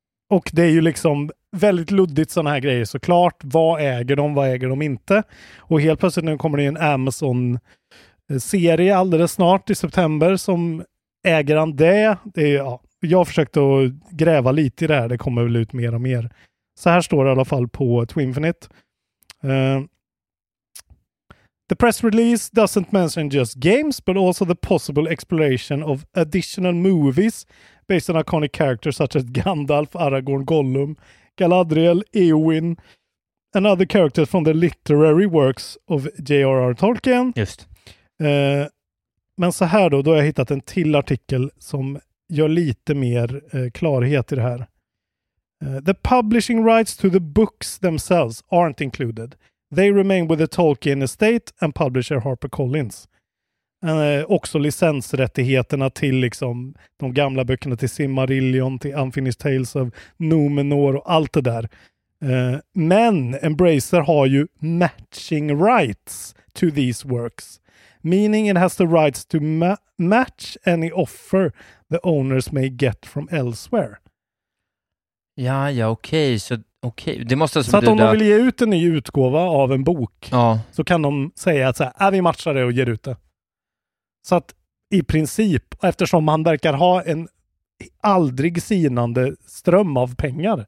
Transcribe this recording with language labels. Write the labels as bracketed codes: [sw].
[sv] Och det är ju liksom väldigt luddigt sådana här grejer. Såklart, vad äger de, vad äger de inte? Och helt plötsligt nu kommer det ju en Amazon-serie alldeles snart i september som äger han det. Det är, ja, jag har försökt att gräva lite i det här. Det kommer väl ut mer och mer. Så här står det i alla fall på Twinfinite. [en] The press release doesn't mention just games but also the possible exploration of additional movies based on iconic characters such as Gandalf, Aragorn, Gollum, Galadriel, Eowyn and other characters from the literary works of J.R.R. Tolkien. [sv] Just. Men så här då har jag hittat en till artikel som gör lite mer klarhet i det här. [en] The publishing rights to the books themselves aren't included. They remain with the Tolkien estate and publisher HarperCollins. [sv] Också licensrättigheterna till liksom de gamla böckerna till Simmarillion, till Unfinished Tales of Numenor och allt det där. Men Embracer har ju [en] matching rights to these works. Meaning it has the rights to match any offer the owners may get from elsewhere. [sv] Ja, ja, okej. Okay. Okay. Det måste så att om de vill ge ut en ny utgåva av en bok, ja, så kan de säga att så här, vi matchar det och ger ut det. Så att i princip, eftersom han verkar ha en aldrig sinande ström av pengar.